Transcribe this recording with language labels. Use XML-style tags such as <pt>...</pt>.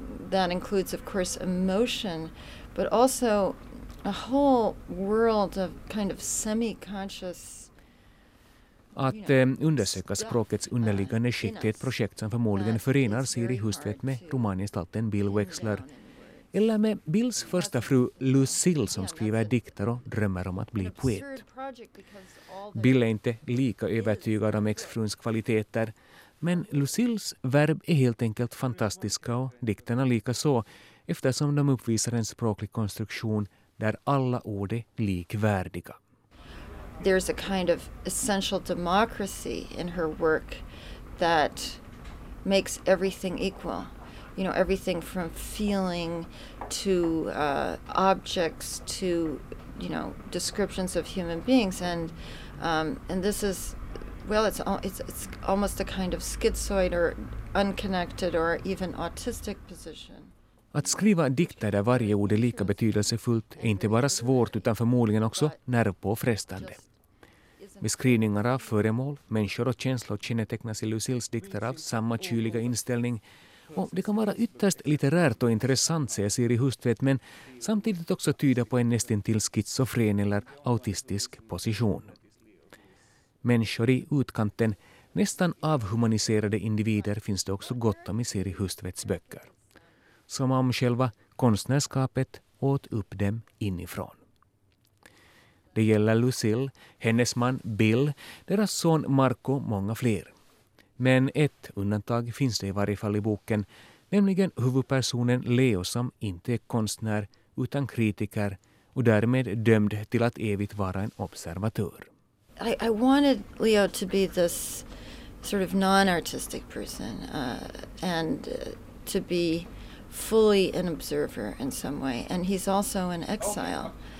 <en>That includes, of course, emotion, but also a whole world of kind of semi-conscious.</en> <sv>Att undersöka språkets underliggande skick är ett projekt som förmodligen förenar Siri Hustvedt med romangestalten Bill Wexler. eller med Bills första fru Lucille som skriver dikter och drömmer om att bli poet. Bill är inte lika övertygad om exfruns kvaliteter, men Lucilles verb är helt enkelt fantastiska och dikterna lika så, eftersom de uppvisar en språklig konstruktion där alla ord är likvärdiga.</sv> <en>There's a kind of essential democracy in her work that makes everything equal. You know, everything from feeling to objects to, you know, descriptions of human beings. And this is, well, it's almost a kind of schizoid or unconnected or even autistic position.</en> <sv>Att skriva dikter där varje ord är lika betydelsefullt är inte bara svårt utan förmodligen också nervpåfrestande. Beskrivningar av föremål, människor och känslor kännetecknas i Lucilles dikter av samma kyliga inställning. Och det kan vara ytterst litterärt och intressant, säger Siri Hustvedt, men samtidigt också tyda på en nästintill schizofren eller autistisk position. Människor i utkanten, nästan avhumaniserade individer, finns det också gott om i Siri Hustvedts böcker. Som om själva konstnärskapet åt upp dem inifrån. Det gäller Lucille, hennes man Bill, deras son Marco och många fler. Men ett undantag finns det i varje fall i boken, nämligen huvudpersonen Leo som inte är konstnär utan kritiker och därmed dömd till att evigt vara en observatör.</sv> <en>I wanted Leo to be this sort of non-artistic person and to be fully an observer in some way, and he's also an exile.</en>